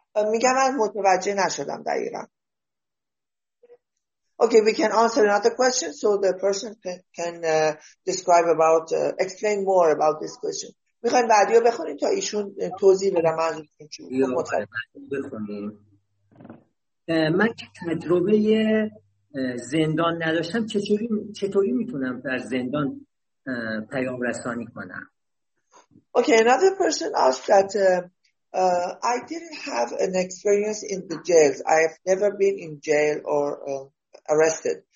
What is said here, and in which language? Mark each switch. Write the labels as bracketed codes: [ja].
[fa] میگم من متوجه نشدم دقیقا. [en] Okay, we can answer another question so the person can describe about, explain more about this question. [fa] میخواییم بعدی رو بخونیم تا ایشون توضیح بده منظورتون چی بود. من که تجربه زندان نداشتم چطوری میتونم در زندان پیام رسانی کنم؟ [en] Okay, another person asked that I didn't have an experience in the jails. I have never been in jail or arrested.